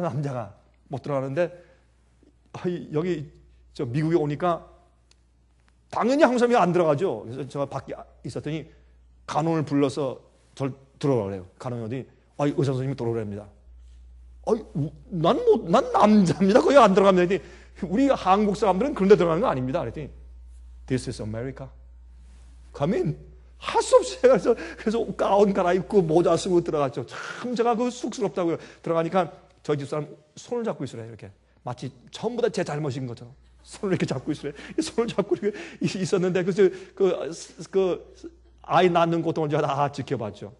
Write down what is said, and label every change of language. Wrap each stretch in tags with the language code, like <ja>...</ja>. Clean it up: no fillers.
<ko>남자가 못 들어가는데 여기 저 미국에 오니까 당연히 항상 안 들어가죠. 그래서 제가 밖에 있었더니 간호를 불러서 절 들어오래요. 간호는 어디? 아이, 의사 선생님이 들어오랍니다. 아이, 난 남자입니다. 거기 안 들어갑니다. 그랬더니, 우리 한국 사람들은 그런데 들어가는 거 아닙니다. 그랬더니</ko> <en>This is America. Come in.</en> <ko>할 수 없어요. 그래서 가운 갈아입고 모자 쓰고 들어갔죠. 참 제가 그 쑥스럽다고요. 들어가니까 저희 집사람 손을 잡고 있으래요. 이렇게. 마치 전부 다 제 잘못인 거죠. 손을 이렇게 잡고 있으래요. 손을 잡고 이렇게 있었는데, 그래서 그 아이 낳는 고통을 제가 다 지켜봤죠.</ko>